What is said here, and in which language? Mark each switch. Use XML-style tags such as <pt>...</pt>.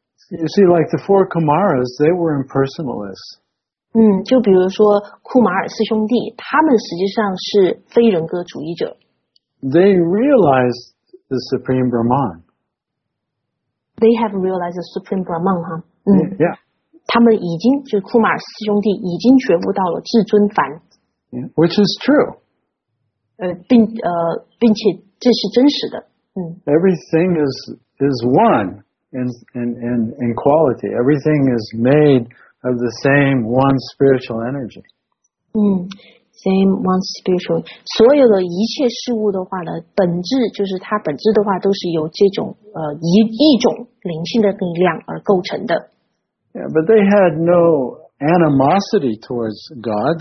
<en>You see, like the four Kumaras, they were impersonalists.</en> <zh>就比如说库马尔四兄弟, 他们实际上是非人格主义者。</zh> <en>They realized the Supreme Brahman. They have realized the Supreme Brahman, huh? Yeah.</en> <zh>他们已经, 就库马尔四兄弟, 已经觉悟到了至尊凡。</zh> <en>Yeah, which is true.</en> <zh>并且这是真实的</zh> <en>Everything is one in quality. Everything is made of the same one spiritual energy. Same one spiritual.</en> <zh>所有的一切事物的话呢，本质就是它本质的话都是由这种一种灵性的力量而构成的。</zh> <en>Yeah, but they had no animosity towards God.</en>